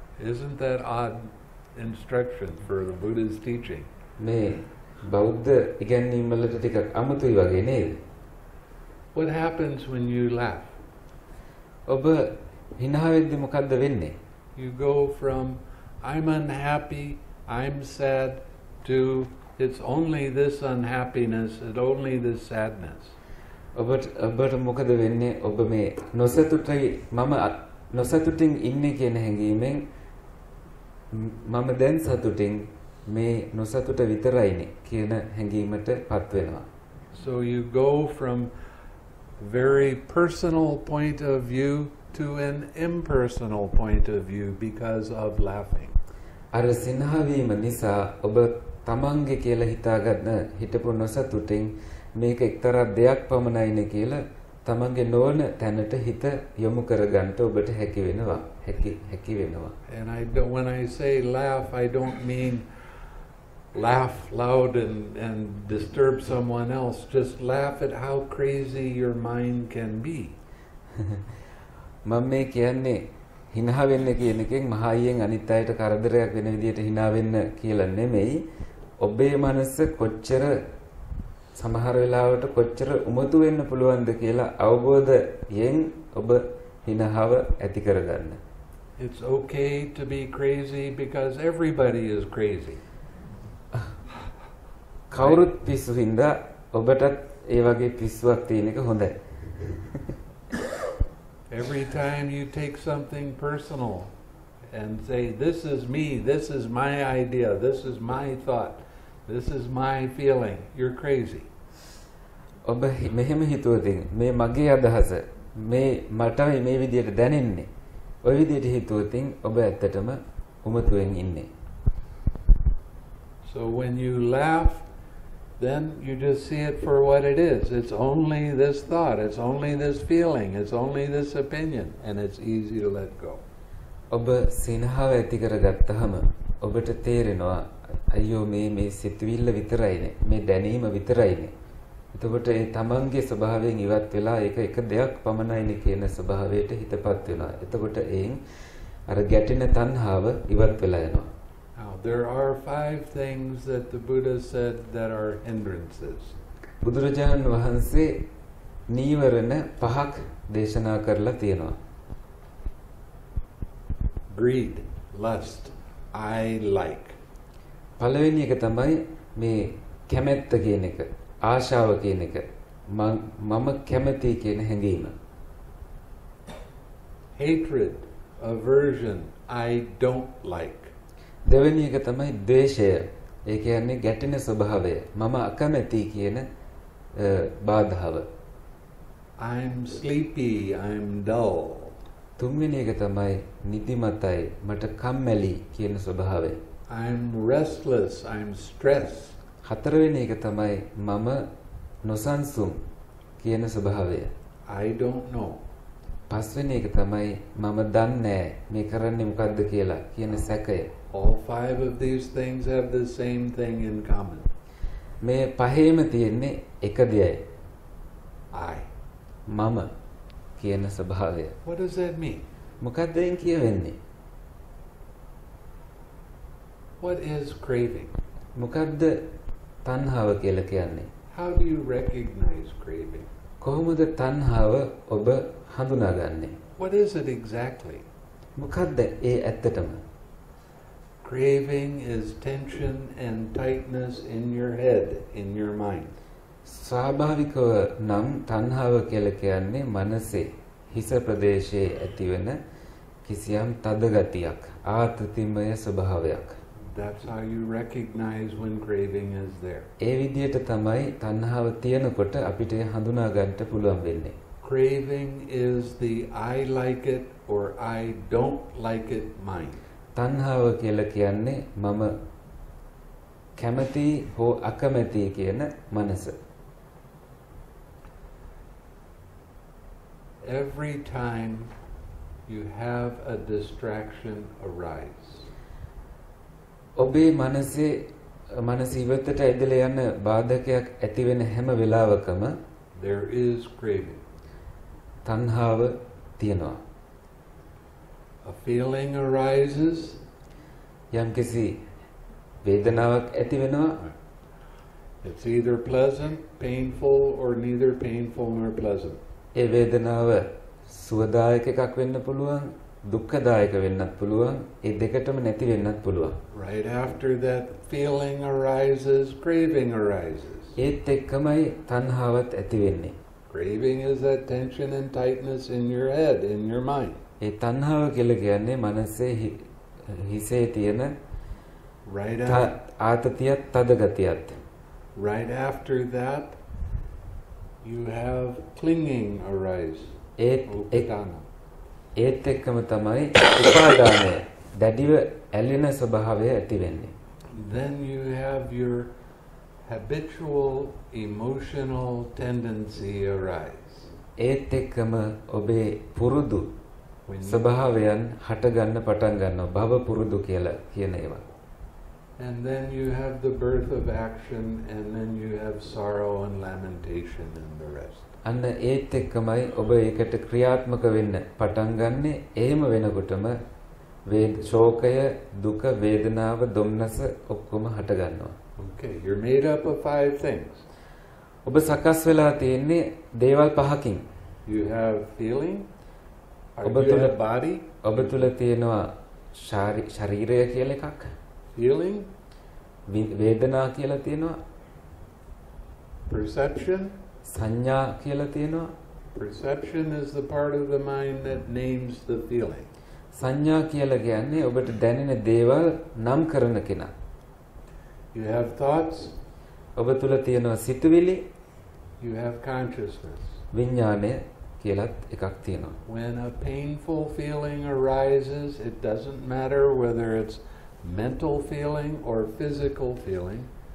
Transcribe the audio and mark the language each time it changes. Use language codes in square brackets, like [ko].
[en] Isn't that odd instruction for the Buddha's teaching? [si] මේ බෞද්ධ ඉගැන්වීම් වලට ටිකක් අමුතුයි වගේ නේද? [en] What happens when you laugh? [si] ඔබ හිනාවෙද්දී මොකද්ද වෙන්නේ? [en] You go from I'm unhappy, I'm sad to it's only this unhappiness, it's only this sadness. [si] ඔබට මොකද වෙන්නේ? ඔබ මේ නොසතුටයි මම නොසතුටින් ඉන්නේ කියන හැඟීමෙන් මම දැන් සතුටින් මේ නොසතුට විතරයිනේ කියන හැඟීමට පත් වෙනවා. [en] So you go from very personal point of view to an impersonal point of view because of laughing. [si] අර සිනහවීම නිසා ඔබ තමන්ගේ කියලා හිතාගන්න හිටපු නොසතුටින් මේක එක්තරා දෙයක් පමණයිනේ කියලා තමන්ගේ නොවන තැනට හිත යොමු කරගන්න ඔබට හැකි වෙනවා. හැකි වෙනවා. [en] And I don't, when I say laugh, I don't mean laugh loud and disturb someone else. Just laugh at how crazy your mind can be. [si] මම මේ කියන්නේ හිනා වෙන්න කියන එකෙන් මහයියෙන් අනිත් අයට කරදරයක් වෙන විදිහට හිනා වෙන්න කියලා නෙමෙයි. ඔබේ මනස කොච්චර සමහර වෙලාවට කොච්චර උමතු වෙන්න පුළුවන්ද කියලා අවබෝධයෙන් ඔබ හිනහව ඇති කරගන්න. [en] It's okay to be crazy because everybody is crazy. [si] කවුරුත් පිස්සු හින්දා ඔබටත් ඒ වගේ පිස්සුවක් තියෙන එක හොඳයි. [en] Every time you take something personal and say this is me, this is my idea, this is my thought, this is my feeling, you're crazy. [si] ඔබ මෙහෙම හිතුවදින් මේ මගේ අදහස මේ මට මේ විදිහට දැනෙන්නේ ඔය විදිහට හිතුවදින් ඔබ ඇත්තටම උමතුවෙන් ඉන්නේ. [en] So when you laugh, then you just see it for what it is. It's only this thought, it's only this feeling, it's only this opinion, and it's easy to let go. [si] ඔබ සිනහව ඇති කරගත්තහම ඔබට තේරෙනවා අයියෝ මේ සිතුවිල්ල විතරයිනේ මේ දැනීම විතරයිනේ. එතකොට ඒ තමන්ගේ ස්වභාවයෙන් ඉවත් වෙලා ඒක එක දෙයක් පමණයිනේ කියන ස්වභාවයට හිතපත් වෙනවා. එතකොට එයින් අර ගැටෙන තණ්හාව ඉවත් වෙලා යනවා. [en] Now there are five things that the Buddha said that are hindrances. [si] බුදුරජාණන් වහන්සේ නීවරණ පහක් දේශනා කරලා තියෙනවා. [en] Greed, lust, I like. [si] පළවෙනි එක තමයි මේ කැමැත්ත කියන එක, ආශාව කියන එක, මම කැමති කියන හැඟීම. [en] Hatred, aversion, I don't like. [si] දෙවෙනි එක තමයි ද්වේෂය. ඒ කියන්නේ ගැටෙන ස්වභාවය. මම අකමැති කියන බාධාව. [en] I'm sleepy, I'm dull. [si] තුන්වෙනි එක තමයි නිදිමතයි මට කම්මැලි කියන ස්වභාවය. [en] I'm restless, I'm stressed. [si] හතරවෙනි එක තමයි මම නොසන්සුන් කියන ස්වභාවය. [en] I don't know. [si] පස්වෙනි එක තමයි මම දන්නේ නැහැ මේ කරන්නේ මොකද්ද කියලා කියන සැකය. [en] All five of these things have the same thing in common. [si] මේ පහේම තියෙන්නේ එක දෙයයි. [en] I. [si] මම කියන ස්වභාවය. [en] What does that mean? [si] මොකද්ද එන් කියවෙන්නේ? [en] What is craving? [si] මොකද්ද තණ්හාව කියලා කියන්නේ? [en] How do you recognize craving? [si] කොහොමද තණ්හාව ඔබ හඳුනාගන්නේ? [en] What is it exactly? [si] මොකද්ද ඒ ඇත්තටම? [en] Craving is tension and tightness in your head, in your mind. [si] ස්වභාවිකව නම් තණ්හාව කියලා කියන්නේ මනසේ හිස ප්‍රදේශයේ ඇතිවන කිසියම් තද ගතියක්, ආතතිමය ස්වභාවයක්. [en] That's how you recognize when craving is there. [si] ඒ විදිහට තමයි තණ්හාව තියෙනකොට අපිට හඳුනා ගන්න පුළුවන් වෙන්නේ. [en] Craving is the I like it or I don't like it mind. [si] තණ්හාව කියලා කියන්නේ මම කැමති හෝ අකමැති කියන මනස. [en] Every time you have a distraction arise. [si] ඔබේ මනසේ මනස ඉවතට ඇදලා යන බාධකයක් ඇති වෙන හැම වෙලාවකම [en] there is craving. [si] තණ්හාව තියෙනවා. [en] A feeling arises. [si] යම්කිසි වේදනාවක් ඇති වෙනවා. [en] It's either pleasant, painful or neither painful nor pleasant. [si] ඒ වේදනාව සුවදායක එකක් වෙන්න පුළුවන්. දුක්ඛදායක වෙන්නත් පුළුවන් ඒ දෙකටම නැති වෙන්නත් පුළුවන් [en] right after that feeling arises craving arises [si] ඒත් එක්කමයි තණ්හාවත් ඇති වෙන්නේ [en] craving is that tension and tightness in your head in your mind [si] ඒ තණ්හාව කියලා කියන්නේ මනසේ හිසේ තියෙන [en] right [si] ආතතිය තද ගතියත් [en] right after that you have clinging arise [si] ඒත් එකම ඒත් එක්කම තමයි උපාදානය දැඩිව ඇලෙන ස්වභාවය ඇති වෙන්නේ. [en] Then you have your habitual emotional tendency arise. [si] ඒත් එක්කම ඔබේ පුරුදු ස්වභාවයන් හට ගන්න පටන් ගන්නවා භව පුරුදු කියලා කියන ඒවා. [en] And then you have the birth of action and then you have sorrow and lamentation and the rest. [si] අන්න ඒත් එක්කමයි ඔබ ඒකට ක්‍රියාත්මක වෙන්න පටන් ගන්නෙ එහෙම වෙනකොටම ශෝකය දුක වේදනාව දුම්නස ඔක්කොම හට ගන්නවා. [en] Okay, you're made up of five things. [si] ඔබ සකස් වෙලා තියෙන්නේ දේවල් පහකින්. [en] You have feeling. [si] ඔබ තුල [en] body. [si] ඔබ තුල තියෙනවා ශරීරය කියලා එකක්. [en] Feeling. [si] වේදනා කියලා තියෙනවා. [en] Perception. [si] සඤ්ඤා කියලා තියෙනවා [en] perception is the part of the mind that names the feeling [si] සඤ්ඤා කියලා කියන්නේ ඔබට දැනෙන දේවල් නම් කරන කෙනා [en] you have thoughts [si] ඔබ තුල තියෙනවා සිතුවිලි [en] you have consciousness [si] විඥානය කියලාත් එකක් තියෙනවා [en] when a painful feeling arises it doesn't matter whether it's mental feeling or physical feeling